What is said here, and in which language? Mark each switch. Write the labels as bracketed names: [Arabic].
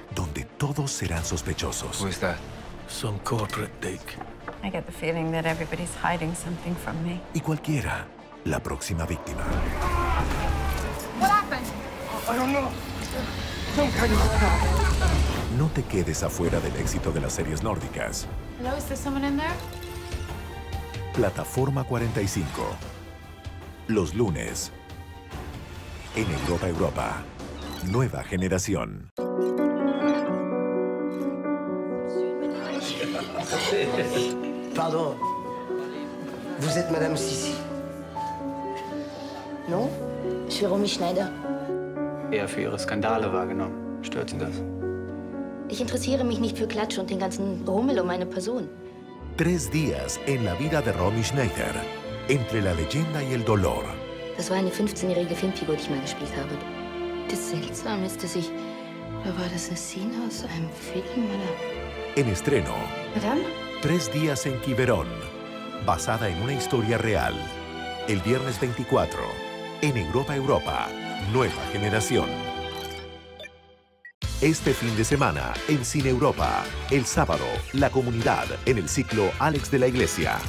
[Spanish] Donde todos serán sospechosos. [English] Who is that? Some corporate dick. I get the feeling that everybody's hiding something from me. [Spanish] Y cualquiera, la próxima víctima. [English] What happened? I don't know. Some kind of attack. [Spanish] No te quedes afuera del éxito de las series nórdicas. [English] Hello, is there someone in there? [Spanish] Plataforma 45. Los lunes. En Europa Europa, nueva generación. Perdón. [French] Vous êtes Madame Sissi? Non? Je suis Romy Schneider. [German] Eher für ihre Skandale wahrgenommen. Stört Sie das? Ich interessiere mich nicht für Klatsch und den ganzen Rummel um meine Person. [Spanish] Tres días en la vida de Romy Schneider. Entre la leyenda y el dolor. [German] Das war eine 15-jährige Filmfigur, die ich mal gespielt habe. Das seltsam ist, dass ich... Oder war das eine Szene aus einem Film, oder? [Spanish] En estreno. [French] Madame? [Spanish] Tres días en Quiberón. Basada en una historia real. El viernes 24. En Europa Europa. Nueva generación. Este fin de semana, en Cine Europa. El sábado, La Comunidad, en el ciclo Alex de la Iglesia.